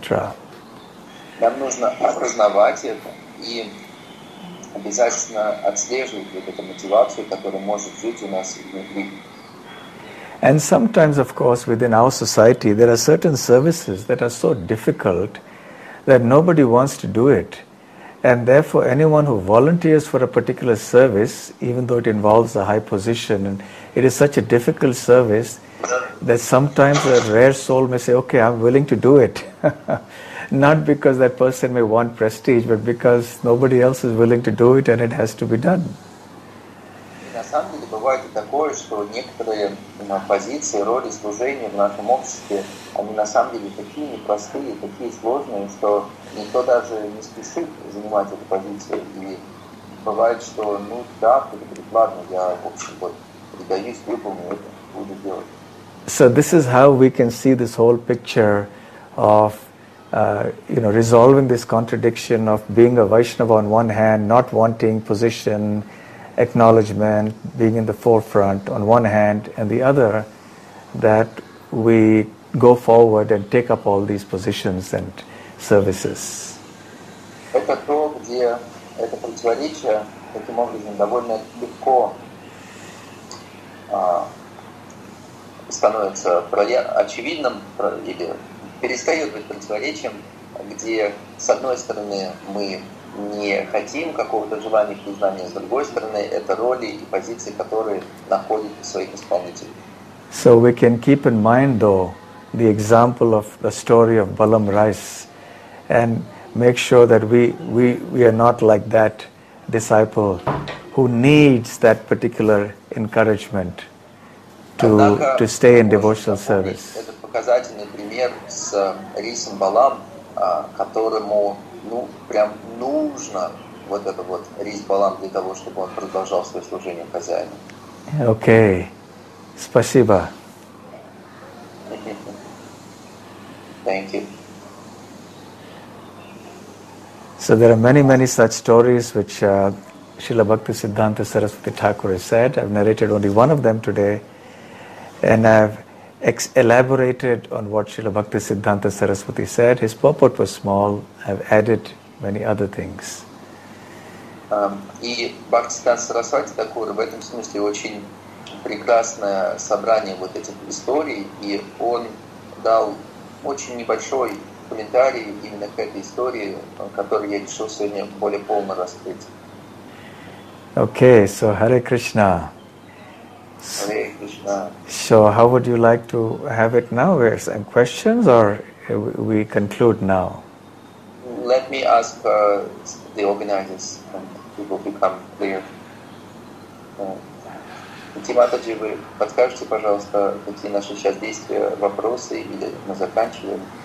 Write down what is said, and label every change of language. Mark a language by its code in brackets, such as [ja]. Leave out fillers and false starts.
[ru] Нам нужно осознавать это и обязательно отслеживать вот эту мотивацию, которая может жить у нас внутри. [en] And sometimes, of course, within our society, there are certain services that are so difficult that nobody wants to do it, and therefore anyone who volunteers for a particular service, even though it involves a high position, and it is such a difficult service, that sometimes a rare soul may say, okay, I'm willing to do it, not because that person may want prestige, but because nobody else is willing to do it and it has to be done. [ru] На самом деле бывает и такое, что некоторые позиции, роли служения в нашем обществе, они на самом деле такие непростые, такие сложные, что никто даже не спешит занимать эту позицию. И бывает, что ну да, ладно, я в общем вот предаюсь, выполню это, буду делать. [en] So this is how we can see this whole picture of resolving this contradiction of being a Vaishnava on one hand, not wanting position, acknowledgement, being in the forefront on one hand, and the other, that we go forward and take up all these positions and services. [ru] Это то, где это противоречие таким образом довольно легко становится очевидным или перестает быть противоречием, где с одной стороны мы не хотим какого-то желания, признания, с другой стороны, это роли и позиции, которые находят своих исполнителей. [en] So we can keep in mind, though, the example of the story of Balam Rice, and make sure that we are not like that disciple who needs that particular encouragement to stay in devotional service. [ru] Это показательный пример с рисом Балам, которому прям нужно вот это вот рис Балам для того, чтобы он продолжал свое служение хозяину. Okay, спасибо. [en] Thank you. So there are many, many such stories which Srila Bhakti Siddhanta Saraswati Thakur has said. I've narrated only one of them today, and I've elaborated on what Srila Bhakti Siddhanta Saraswati said. His purport was small. I've added many other things. [ru] И Бхактисиддханта Сарасвати Такур в этом смысле очень прекрасное собрание вот этих историй, и он дал очень небольшой комментарий именно к этой истории, которую я решил сегодня более полно раскрыть. [en] Okay, so Hare Krishna. Hare Krishna. So how would you like to have it now? Are there some questions or we conclude now? Let me ask the organizers and it will become clear. [ru] Тимата-джи, вы подскажете, пожалуйста, какие наши сейчас действия, вопросы, или мы заканчиваем?